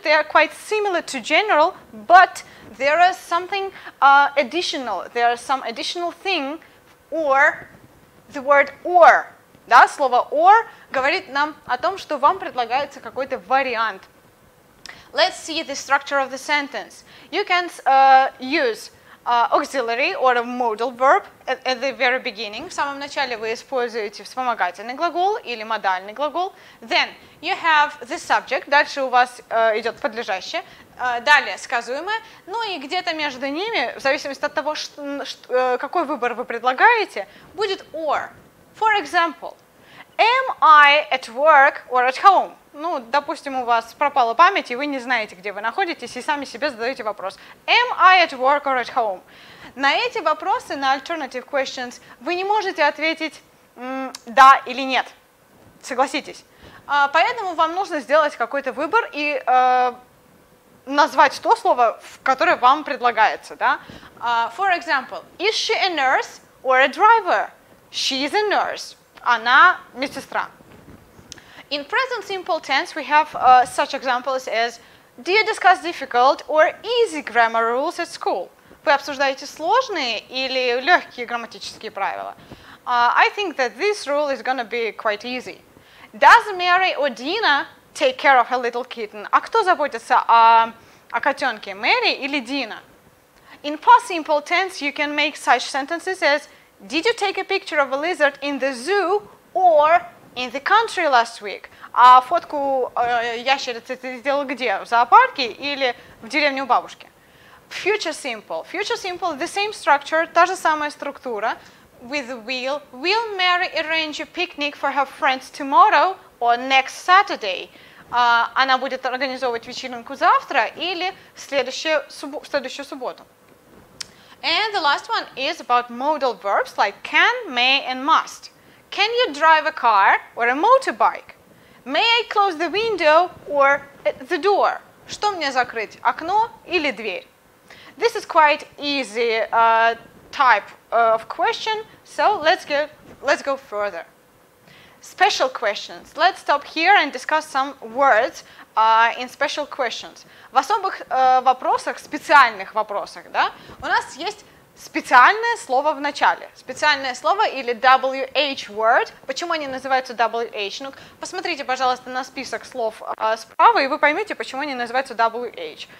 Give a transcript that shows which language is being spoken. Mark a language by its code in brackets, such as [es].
[en] They are quite similar to general, but there is something additional. There is some additional thing, or the word or. [ru] Да, слово or говорит нам о том, что вам предлагается какой-то вариант. [en] Let's see the structure of the sentence. You can use auxiliary or a modal verb at the very beginning. [ru] В самом начале вы используете вспомогательный глагол или модальный глагол. [en] Then you have the subject. [ru] Дальше у вас идет подлежащее. Далее сказуемое. Ну и где-то между ними, в зависимости от того, какой выбор вы предлагаете, будет or. [en] For example, am I at work or at home? [ru] Ну, допустим, у вас пропала память, и вы не знаете, где вы находитесь, и сами себе задаете вопрос. [en] Am I at work or at home? [ru] На эти вопросы, на alternative questions, вы не можете ответить да или нет. Согласитесь. Поэтому вам нужно сделать какой-то выбор и назвать то слово, которое вам предлагается. [en] Да? For example, is she a nurse or a driver? She's a nurse. [ru] Она медсестра. [en] In present simple tense, we have such examples as do you discuss difficult or easy grammar rules at school? [ru] Вы обсуждаете сложные или легкие грамматические правила? [en] I think that this rule is going to be quite easy. Does Mary or Dina take care of her little kitten? [ru] А кто заботится о котенке, Мэри или Дина? [en] In past simple tense, you can make such sentences as did you take a picture of a lizard in the zoo or in the country last week? [ru] А фотку ящерицы ты сделал где? В зоопарке или в деревне у бабушки? [en] Future simple. Future simple, the same structure, [ru] та же самая структура. [en] With will. Will Mary arrange a picnic for her friends tomorrow or next Saturday? [ru] Она будет организовывать вечеринку завтра или в следующую субботу. [en] And the last one is about modal verbs like can, may, and must. Can you drive a car or a motorbike? May I close the window or the door? [ru] Что мне закрыть, окно или дверь? [en] This is quite easy type of question, so let's go further. Special questions. Let's stop here and discuss some words in special questions. [ru] В особых вопросах, специальных вопросах, да, у нас есть специальное слово в начале. Специальное слово или WH word. Почему они называются WH? Ну, посмотрите, пожалуйста, на список слов справа, и вы поймете, почему они называются WH.